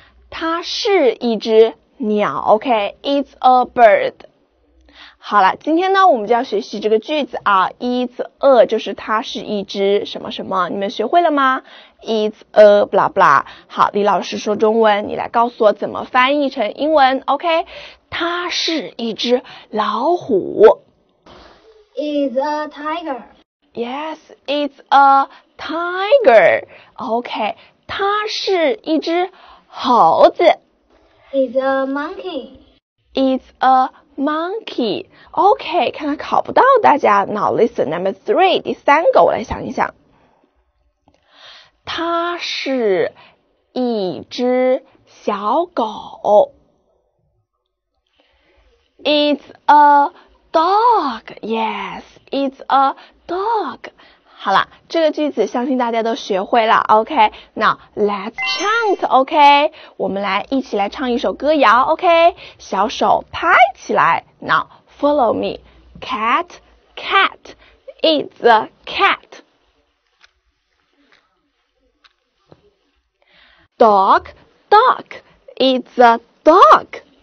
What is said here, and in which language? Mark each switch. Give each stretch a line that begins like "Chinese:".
Chinese: 它是一只鸟 ,OK,
English: it's a bird.
Chinese: 好了，今天呢我们就要学习这个句子啊 ,it's a, 就是它是一只什么什么，你们学会了吗 ?
English: it's a, blah blah.
Chinese: 好，李老师说中文，你来告诉我怎么翻译成英文 ,OK? 它是一只老虎。
English: It's a tiger. Yes, it's a tiger. OK,
Chinese: 它是一只猴子
English: ，It's a monkey. It's a monkey. OK,
Chinese: 看来考不到大家。
English: Now listen, number three,
Chinese: 第三个，我来想一想。它是一只小狗。
English: It's a dog. Yes, it's a dog.
Chinese: 好了，这个句子相信大家都学会了 ,OK?
English: Now, let's chant, OK?
Chinese: 我们来一起来唱一首歌谣 ,OK? 小手拍起来
English: ,Now, follow me. Cat, cat, it's a cat. Dog, dog, it's a dog.